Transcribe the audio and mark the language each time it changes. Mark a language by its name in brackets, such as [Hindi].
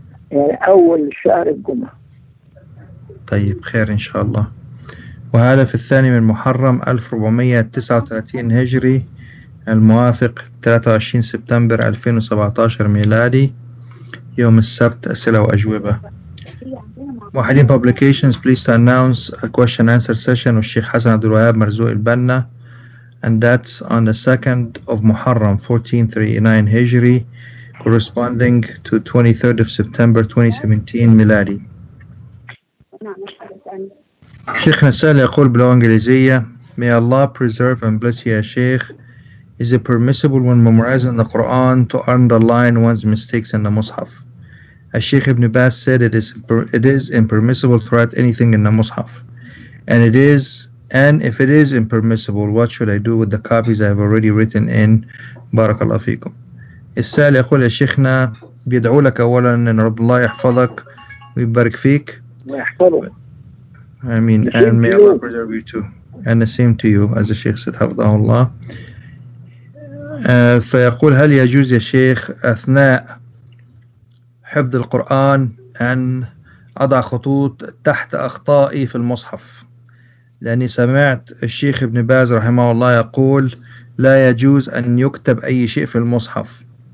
[Arabic] يعني أول شهر الجمعة. طيب خير إن شاء الله. وهذا في الثاني من محرم 1439 هجري الموافق 23 سبتمبر 2017 ميلادي، يوم السبت، أسئلة وأجوبة. [English] موحدين Publications please to announce a question answer session with الشيخ حسن عبد الوهاب مرزوق البنا، and that's on the 2nd of محرم 1439 هجري corresponding to 23rd of September 2017 ميلادي. [Arabic] شيخ نسال يقول بلغة إنجليزية: [English] May Allah preserve and bless you, Sheikh. Is it permissible when memorizing the Quran to underline one's mistakes in the Mus'haf? As Sheikh Ibn Baz said, it is impermissible to write anything in the Mus'haf. And if it is impermissible, what should I do with the copies I have already written in? [Arabic] Barakallahu feekum. السائل يقول يا شيخنا، بيدعو لك أولا أن رب الله يحفظك ويبارك فيك ويحفظه. آمين. [English] And may Allah preserve you too. And the same to you, as the Sheikh said, [Arabic] حفظه الله. فيقول: هل يجوز يا شيخ أثناء حفظ القرآن أن أضع خطوط تحت أخطائي في المصحف؟ لأني سمعت الشيخ ابن باز رحمه الله يقول: لا يجوز أن يكتب أي شيء في المصحف.